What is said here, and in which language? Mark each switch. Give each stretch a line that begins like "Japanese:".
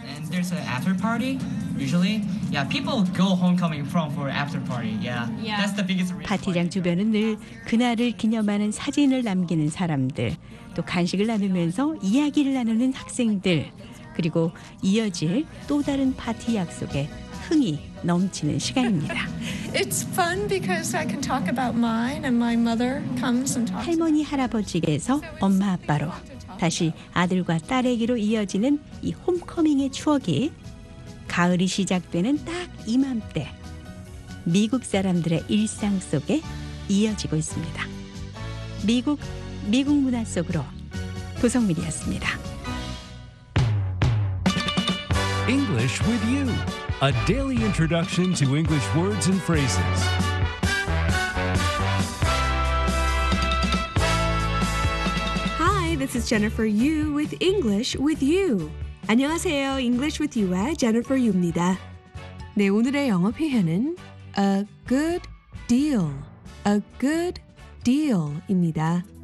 English: There's an after party usually. Yeah, people go homecoming from for after party. Yeah. That's the biggest reason.
Korean: 파티장 주변은 늘 그날을 기념하는 사진을 남기는 사람들, 또 간식을 나누면서 이야기를 나누는 학생들, 그리고 이어질 또 다른 파티 약속에 흥이 넘치는 시간입니다.
English: It's fun because I can talk about mine and my mother comes and talks.
Korean: 할머니 할아버지에게서 엄마 아빠로 다시 아들과 딸에게로 이어지는 이 홈커밍의 추억이 가을이 시작되는 딱 이맘때 미국 사람들의 일상 속에 이어지고 있습니다. 미국 문화 속으로 도성미리였습니다.
English: English with you. A daily introduction to English words and phrases. This is Jennifer Yu with English with You.
Korean: 안녕하세요. English with You와 Jennifer Yu입니다. 네, 오늘의 영어 표현은
English: a good deal, a good deal
Korean: 입니다.